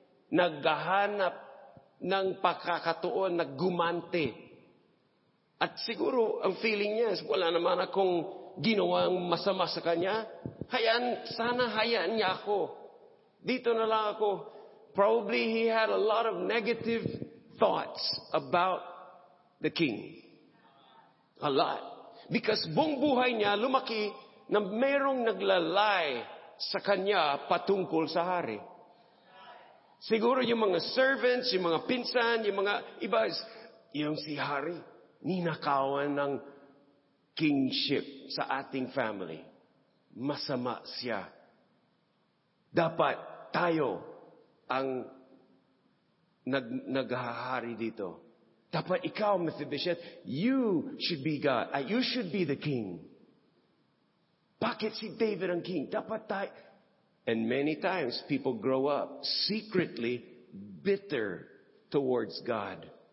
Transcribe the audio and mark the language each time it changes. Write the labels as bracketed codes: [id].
[tl] Naghahanap ng pagkakatuon, naggumante. At siguro, ang feeling niya is wala naman akong ginawang masama sa kanya. Sana hayaan niya ako. Dito na lang ako. [en] Probably he had a lot of negative thoughts about the king. A lot. Because [tl] buong buhay niya, lumaki na merong naglalay sa kanya patungkol sa hari. Siguro yung mga servants, yung mga pinsan, yung mga iba, yung si hari, ninakawan ng kingship sa ating family. Masama siya. Dapat tayo ang naghahari dito. Dapat ikaw, [en] Mephibosheth, you should be God. You should be the king. [tl] Bakit si David ang king? Dapat tayo. [en] And many times, people grow up secretly bitter towards God.